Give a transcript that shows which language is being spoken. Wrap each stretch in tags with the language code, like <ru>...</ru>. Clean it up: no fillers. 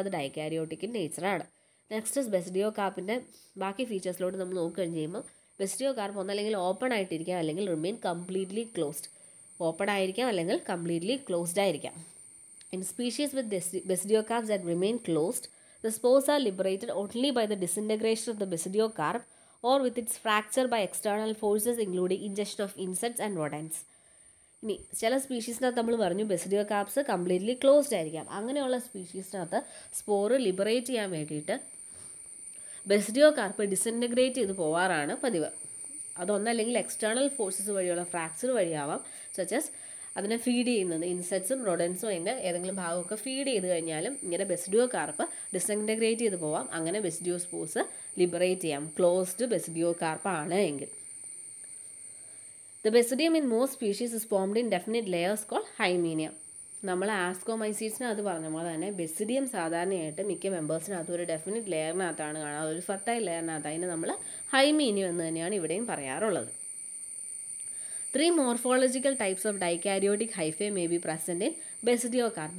<ml>അത് ഡൈക്യാരിയോട്ടിക് in നേച്ചറാണ്. Next is ബെസിഡിയോ കാർപ്പിൻ്റെ ബാക്കി ഫീച്ചേഴ്സിലോട്ട് നമ്മൾ നോക്കുകഴിഞ്ഞുമ്പോൾ ബെസിഡിയോ കാർപ്പ് ഒന്നല്ലെങ്കിൽ ഓപ്പൺ ആയിട്ടിരിക്കാം അല്ലെങ്കിൽ</ml> <en>Remain completely closed.</en> <ml>ഓപ്പൺ ആയിരിക്കാം അല്ലെങ്കിൽ കംപ്ലീറ്റ്ലി ക്ലോസ്ഡ് ആയിരിക്കാം.</ml> <en>In species with basidiocarps that remain closed the spores are liberated only by the disintegration of the basidiocarp. or with its fracture by external forces including ingestion of insects and rodents.</en> <ml>ഇനി ചില സ്പീഷീസിനകത്ത് നമ്മൾ പറഞ്ഞു ബെസിഡിയോ carbs completely closed ആയിരിക്കാം. അങ്ങനെയുള്ള സ്പീഷീസിനകത്ത് spore liberate ചെയ്യാൻ വേണ്ടിയിട്ട് ബെസിഡിയോ carp disintegrate ചെയ്ത് പോവാറാണ് പതിവ്. അതൊന്നല്ലെങ്കിൽ എക്സ്റ്റേണൽ ഫോഴ്സസ് വഴിയുള്ള ഫ്രാക്ചർ വഴിയാവാം, സച്ച് ആസ് അതിനെ ഫീഡ് ചെയ്യുന്നത് ഇൻസെക്ട്സും റോഡൻസും അതിൻ്റെ ഏതെങ്കിലും ഭാഗമൊക്കെ ഫീഡ് ചെയ്ത് കഴിഞ്ഞാലും ഇങ്ങനെ ബെസിഡിയോ കാർപ്പ് ഡിസിൻറ്റഗ്രേറ്റ് ചെയ്ത് പോവാം. അങ്ങനെ ബെസിഡിയോ സ്പോർസ് ലിബറേറ്റ് ചെയ്യാം. ക്ലോസ്ഡ് ബെസിഡിയോ കാർപ്പാണ് എങ്കിൽ</ml> <en>the basidium in most species is formed in definite layers called hymenium.</en> <ml>നമ്മളെ ആസ്കോമൈസീറ്റ്സിന് അത് പറഞ്ഞ പോലെ തന്നെ ബെസിഡിയം സാധാരണയായിട്ട് മിക്ക മെമ്പേഴ്സിനകത്ത് ഒരു ഡെഫിനറ്റ് ലെയറിനകത്താണ് കാണുക, അതൊരു ഫെർട്ടൈൽ ലെയറിനകത്ത്. അതിന് നമ്മൾ ഹൈമീനിയം എന്ന് തന്നെയാണ് ഇവിടെയും പറയാറുള്ളത്.</ml> <en>3 morphological types of dikaryotic hyphae may be present in basidiocarp.</en>